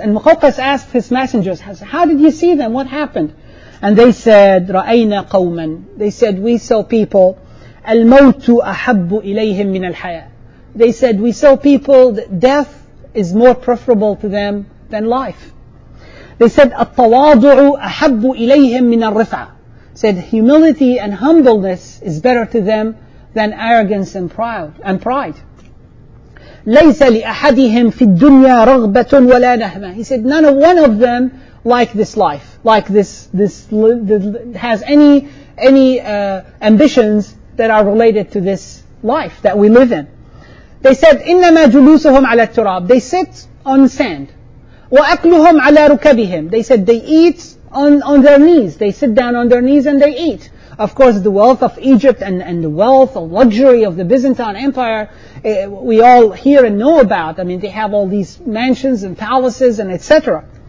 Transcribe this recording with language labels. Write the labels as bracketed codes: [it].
[en] And Muqawqas asked his messengers, how did you see them? What happened? And they said, [ar] رَأَيْنَا قَوْمًا. [en] They said, we saw people, [ar] الْمَوْتُ أَحَبُّ إِلَيْهِمْ مِنَ الْحَيَاةِ. [en] They said, we saw people, that death is more preferable to them than life. They said, [ar] التَّوَاضُعُ أَحَبُّ إِلَيْهِمْ مِنَ الرِّفْعَةِ. [en] Said, humility and humbleness is better to them than arrogance and pride. [ar] لَيْسَ لِأَحَدِهِمْ فِي الدُّنْيَا رَغْبَةٌ وَلَا نَهْمَةٌ. [en] He said, none of one of them like this life, like this has any ambitions that are related to this life that we live in. They said, [ar] إِنَّمَا جُلُوسُهُمْ عَلَى التُّرَابِ. [en] They sit on sand. [ar] وَأَكْلُهُمْ عَلَى رُكَبِهِمْ. [en] They said, they eat on their knees. They sit down on their knees and they eat. Of course, the wealth of Egypt and the wealth of luxury of the Byzantine Empire, we all hear and know about. I mean, they have all these mansions and palaces and etc.